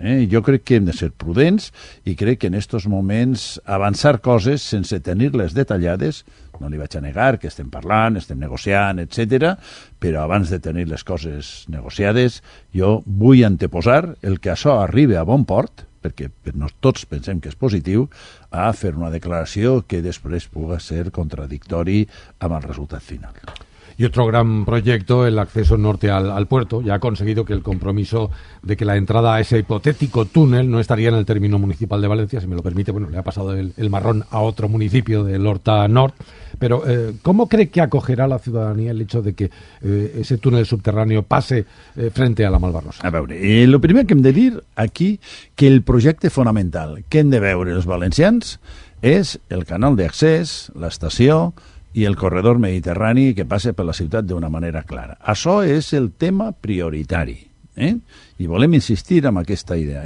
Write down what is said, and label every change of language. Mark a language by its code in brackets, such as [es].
[ca] Jo crec que hem de ser prudents, i crec que en aquests moments avançar coses sense tenir-les detallades, no li vaig a negar que estem parlant, estem negociant, etc., però abans de tenir les coses negociades, jo vull anteposar el que això arribi a bon port, perquè no tots pensem que és positiu, a fer una declaració que després pugui ser contradictori amb el resultat final. [es] Y otro gran proyecto, el acceso norte al puerto, ya ha conseguido que el compromiso de que la entrada a ese hipotético túnel no estaría en el término municipal de Valencia, si me lo permite, bueno, le ha pasado el marrón a otro municipio del Horta Nord. Pero, ¿cómo cree que acogerá la ciudadanía el hecho de que ese túnel subterráneo pase frente a la Malvarrosa? [ca] A veure, [es] lo primero [ca] que hem de dir aquí, que el proyecto fonamental que hem de veure els valencians és el canal d'accés, l'estació, i el corredor mediterrani que passa per la ciutat d'una manera clara. Això és el tema prioritari, eh? I volem insistir en aquesta idea.